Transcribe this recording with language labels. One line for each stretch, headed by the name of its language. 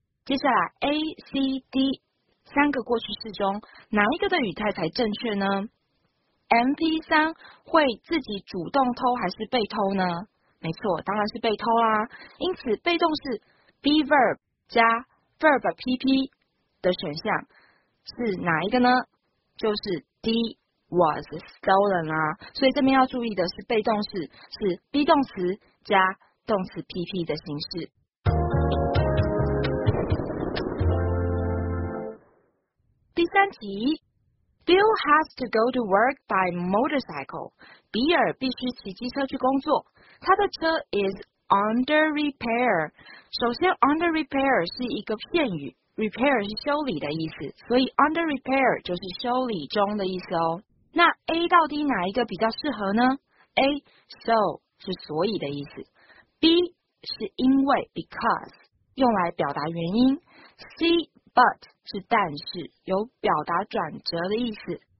Chinese: 接下来 A、C、D 三个过去式中哪一个的语态才正确呢？ MP3 会自己主动偷还是被偷呢？没错，当然是被偷啦。因此被动是 be verb 加 verb PP 的选项是哪一个呢？就是 D
English: was stolen
Chinese: 啦。所以这边要注意的是被动式是 be 动词加动词 PP 的形式。第三题，
English: Bill has to go to work by motorcycle.
Chinese: 比尔必须骑机车去工作。他的车
English: is under repair.
Chinese: 首先 under repair 是一个片语， repair 是修理的意思，所以 under repair 就是修理中的意思哦。那 A 到底哪一个比较适合呢？A so 是所以的意思， B 是因为 because 用来表达原因， C but是但是，有表达转折的意思。